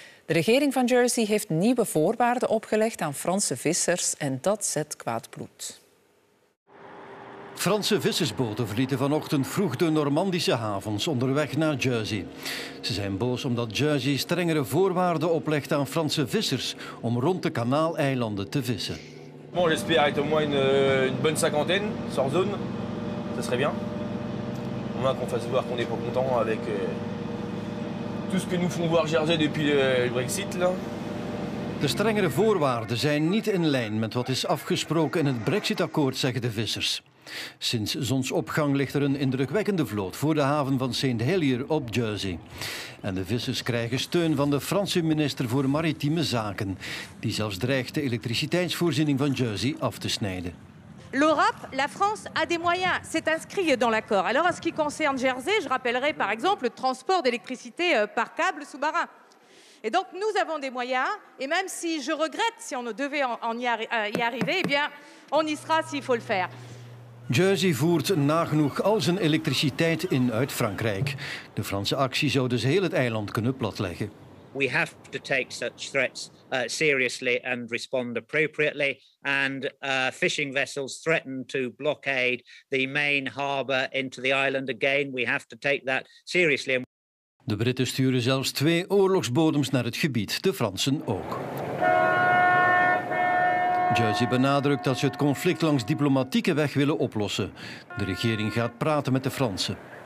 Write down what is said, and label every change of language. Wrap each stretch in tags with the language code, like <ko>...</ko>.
<nl>De regering van Jersey heeft nieuwe voorwaarden opgelegd aan Franse vissers en dat zet kwaad bloed. Franse vissersboten verlieten vanochtend vroeg de Normandische havens onderweg naar Jersey. Ze zijn boos omdat Jersey strengere voorwaarden oplegt aan Franse vissers om rond de kanaaleilanden te vissen.</nl> <fr>Bon, j'espère être au moins une bonne cinquantaine sans zone. Ça serait bien. au moins qu'on fasse voir qu'on n'est pas content avec tout ce que nous font voir Jersey depuis le Brexit. Là.</fr> <nl>De strengere voorwaarden zijn niet in lijn met wat is afgesproken in het Brexit-akkoord, zeggen de vissers. Sinds zonsopgang ligt er een indrukwekkende vloot voor de haven van St. Helier op Jersey. En de vissers krijgen steun van de Franse minister voor maritieme zaken, die zelfs dreigt de elektriciteitsvoorziening van Jersey af te snijden.</nl> <fr>L'Europe, la France a des moyens, c'est inscrit dans l'accord. Alors en ce qui concerne Jersey, je rappellerai par exemple le transport d'électricité par câble sous-marin. Et donc nous avons des moyens, et même si je regrette si on ne devait y arriver, eh bien on y sera s'il faut le faire.</fr> <nl>Jersey voert nagenoeg al zijn elektriciteit in uit Frankrijk. De Franse actie zou dus heel het eiland kunnen platleggen.</nl> <en>We have to take such threats seriously and respond appropriately. And fishing vessels threaten to blockade the main harbour into the island again. We have to take that seriously.</en> <nl>De Britten sturen zelfs twee oorlogsbodems naar het gebied, de Fransen ook. Jersey benadrukt dat ze het conflict langs diplomatieke weg willen oplossen. De regering gaat praten met de Fransen.</nl>